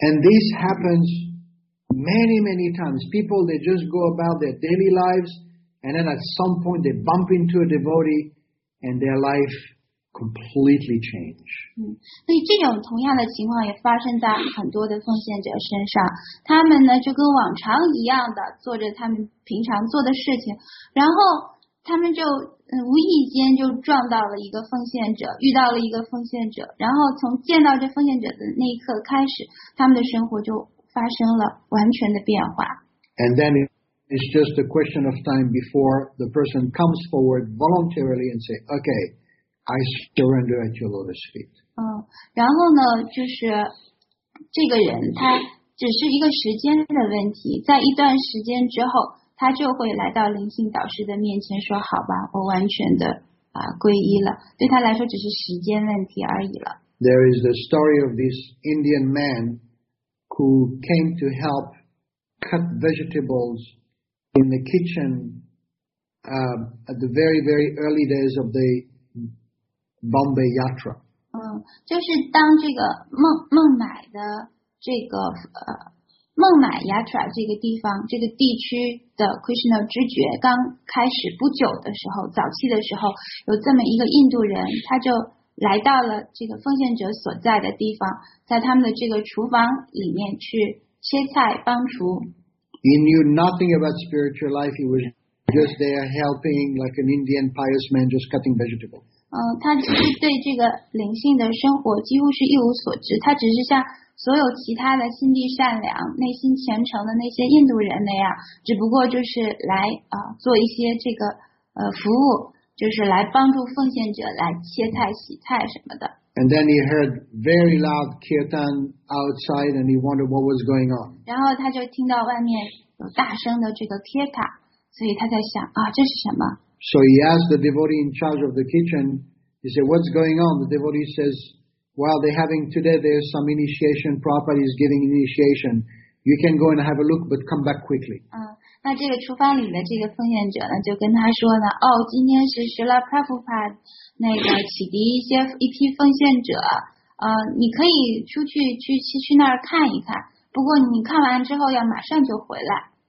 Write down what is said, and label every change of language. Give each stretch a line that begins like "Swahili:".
English: And this happens many many times. People, they just go about their daily lives, and then at some point they bump into a devotee and their lifeCompletely change.
Chinese: 所以这种同样的情况也发生在很多的奉献者身上。他们呢就跟往常一样的做着他们平常做的事情，然后他们就无意间就撞到了一个奉献者，遇到了一个奉献者，然后从见到这奉献者的那一刻开始，他们的生活就发生了完全的变化。
English: And then it's just a question of time before the person comes forward voluntarily and say, okay. I surrender at your lotus feet.
Chinese: 然后呢，就是这个人他只是一个时间的问题，在一段时间之后，他就会来到灵性导师的面前说：“好吧，我完全的皈依了。” 对他来说，只是时间问题而已了。
English: There is the story of this Indian man who came to help cut vegetables in the kitchen at the very, very early days of the Bombay Yatra.
Chinese: 就是当这个孟买的这个孟买雅特这个地方这个地区的 Krishna 知觉刚开始不久的时候，早期的时候，有这么一个印度人，他就来到了这个奉献者所在的地方，在他们的这个厨房里面去切菜帮厨。
English: He knew nothing about spiritual life. He was just there helping, like an Indian pious man, just cutting vegetables.
Chinese: 他其实对这个灵性的生活几乎是一无所知，他只是像所有其他的心地善良、内心虔诚的那些印度人那样，只不过就是来做一些这个服务，就是来帮助奉献者来切菜、洗菜什么的。
English: And then he heard very loud kirtan outside, and he wondered what was going on.
Chinese: 然后他就听到外面有大声的这个 kirtan，所以他在想啊，这是什么？
English: So he asked the devotee in charge of the kitchen. He said, "What's going on?" The devotee says, "Well, they're having today. There's some initiation. Prabhupada is giving initiation. You can go and have a look, but come back quickly."
Chinese: 那这个厨房里的这个奉献者呢，就跟他说呢，哦，今天是 Srila Prabhupada 那个启迪一批奉献者，你可以出去去那儿看一看，不过你看完之后要马上就回来。